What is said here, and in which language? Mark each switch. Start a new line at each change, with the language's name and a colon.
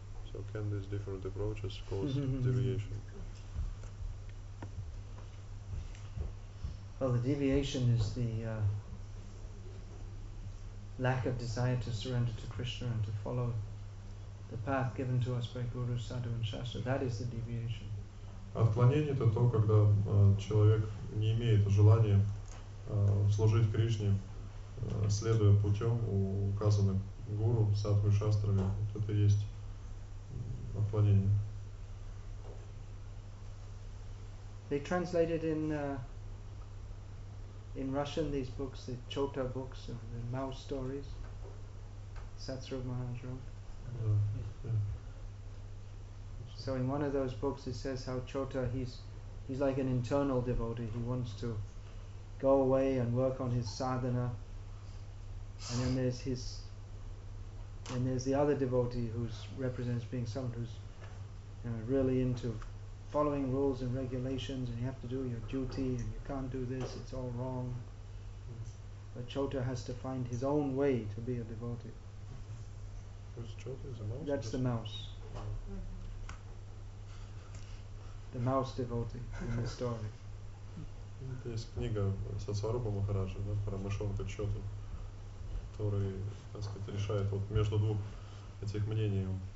English: So can these different approaches cause deviation? Well, the deviation is the lack of desire to surrender to Krishna and to follow the path given to us by Guru, Sadhu and Shastra. That is the deviation.
Russian: Отклонение — это то, когда человек не имеет желания служить Кришне, следуя путем, указанным Гуру, Садху и Шастрами. Вот это и есть отклонение.
English: They translated in Russian these books, the Chota books of the mouse stories. Satsarup Maharaj wrote. So in one of those books it says how Chota, he's like an internal devotee. He wants to go away and work on his sadhana. And then there's the other devotee who's represents being someone who's really into following rules and regulations, and you have to do your duty and you can't do this, it's all wrong. But Chota has to find his own way to be a devotee. Who's Chota? Is a mouse? That's the mouse. The mouse devotee in the story. There's a
Russian: книга Сатсварупа Махараджа, да, про мышонка Чоту, который, так сказать, решает вот между двух этих мнений.